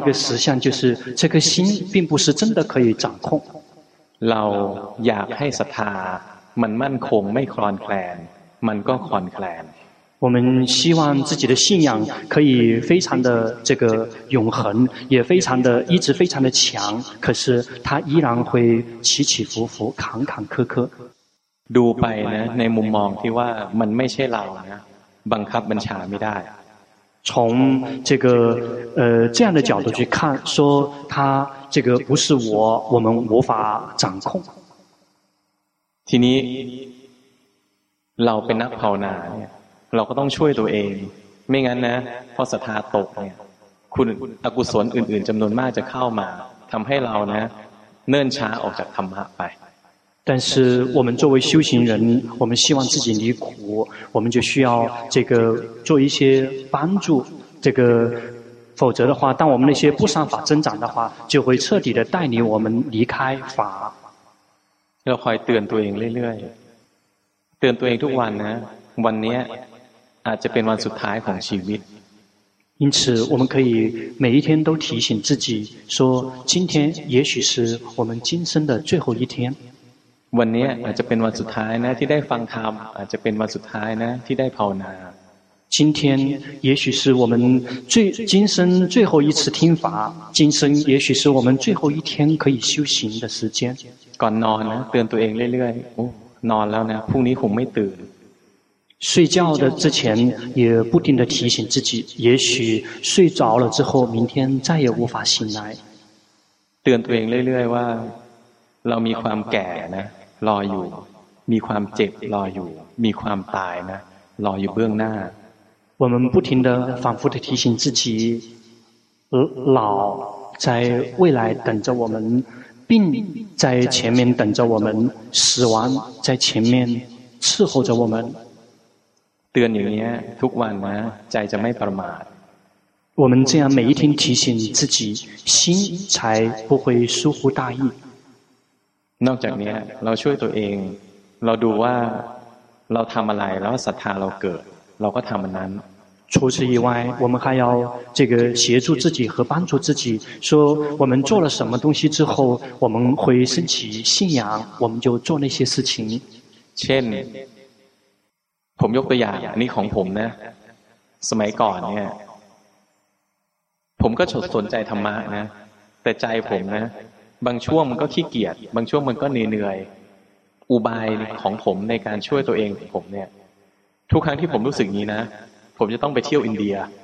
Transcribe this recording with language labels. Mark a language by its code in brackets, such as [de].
[zh] 个实相就是这个心并不是真的可以掌控 [th] เราอยากให้ศรัทธามันมั่นคงไม่คลอนแคลนมันก็คลอนแคลน [zh] 我们希望自己的信仰可以非常的这个永恒也非常的一直非常的强可是它依然会起起伏伏坎坎坷坷 [th] ดูไปนะในมุมมองที่ว่ามันไม่ใช่เรานะบังคับบัญชาไม่ได้ [zh] 从这个这样的角度去看说它这个不是我们无法掌控 [th] ทีนี้เราเป็นนักภาวนาเนี่ยเราก็ต้องช่วยตัวเองไม่งั้นนะพอศรัทธาตกเนี่ยคุณอกุศลอื่นๆจำนวนมากจะเข้ามาทำให้เรานะเนิ่นช้าออกจากธรรมะไป [zh] 但是我们作为修行人我们希望自己离苦我们就需要这个做一些帮助这个否则的话当我们那些不善法增长的话就会彻底的带领我们离开法 [th] เราคอยเตือนตัวเองเรื่อยๆเตือนตัวเองทุกวันนะวันนี้อาจจะเป็นวันสุดท้ายของชีวิต [zh] 因此我们可以每一天都提醒自己说今天也许是我们今生的最后一天 [th] วันนี้อาจจะเป็นวันสุดท้ายนะที่ได้ฟังธรรมอาจจะเป็นวันสุดท้ายนะที่ได้ภาวนา [zh] 今天也许是我们今生最后一次听法今生也许是我们最后一天可以修行的时间 [th] ก่อนนอนนะเตือนตัวเองเรื่อยๆนอนแล้วนะพรุ่งนี้คงไม่ตื่น [zh] 睡觉的之前也不停地提醒自己也许睡着了之后明天再也无法醒来 [th] เตือนตัวเองเรื่อยๆว่าเรามีความแก่นะรออยู่มีความเจ็บรออยู่มีความตายนะรออยู่เบื้องหน้า [zh] 我们不停地反复地提醒自己老在未来等着我们病在前面等着我们，死亡在前面伺候着我们。对你呢， [th] ทุกวันนะ，ใจจะไม่ประมาท。 [zh] 我们这样每一天提醒自己，心才不会疏忽大意。 [th] นอกจากนี้เราช่วยตัวเองเราดูว่าเราทำอะไรแล้วศรัทธาเราเกิดเราก็ทำมันนั้น [zh] 除此以外我们还要这个协助自己和帮助自己说我们做了什么东西之后我们会升起信仰我们就做那些事情 [th] เช่นผมยกตัวอย่างนี่ของผมนะสมัยก่อนเนี่ยผมก็สนใจธรรมะนะแต่ใจผมนะบางช่วงมันก็ขี้เกียจบางช่วงมันก็เหนื่อยอุบายของผมในการช่วยตัวเองของผมเนี่ยทุกครั้งที่ผมรู้สึกนี้นะผมจะต้องไปเที่ยวอินเดีย